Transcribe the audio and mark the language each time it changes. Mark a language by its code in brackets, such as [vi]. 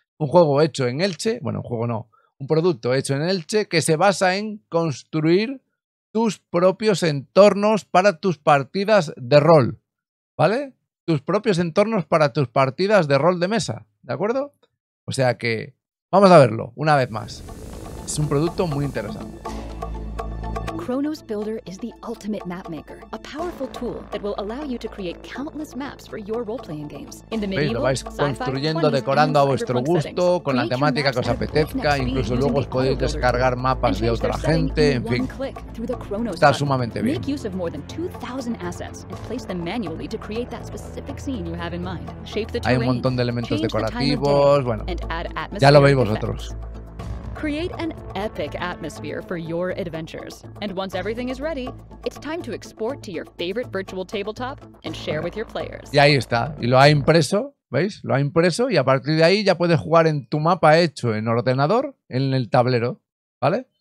[es] Un juego hecho en Elche. Bueno, un juego no. Un producto hecho en Elche que se basa en construir tus propios entornos para tus partidas de rol, ¿vale? Tus propios entornos para tus partidas de rol de mesa, ¿de acuerdo? O sea que vamos a verlo una vez más. Es un producto muy interesante. [en] Chronos Builder is the ultimate map maker, a powerful tool that will allow you to create countless maps for your role-playing games. In the medieval, sci-fi, [es] lo vais construyendo, decorando a vuestro gusto, con la temática que os apetezca, incluso luego os podéis descargar mapas de otra gente, en fin, está sumamente bien. [en] Make use of more than 2,000 assets and place them manually to create that specific scene you have in mind. Shape the terrain, [es] hay un montón de elementos decorativos, bueno, ya lo veis vosotros. [en] Create an epic atmosphere for your adventures. And once everything is ready, it's time to export to your favorite virtual tabletop and share with your players. [es] Y ahí está. Y lo ha impreso, ¿veis? Lo ha impreso y a partir de ahí ya puedes jugar en tu mapa hecho en ordenador, en el tablero, ¿vale?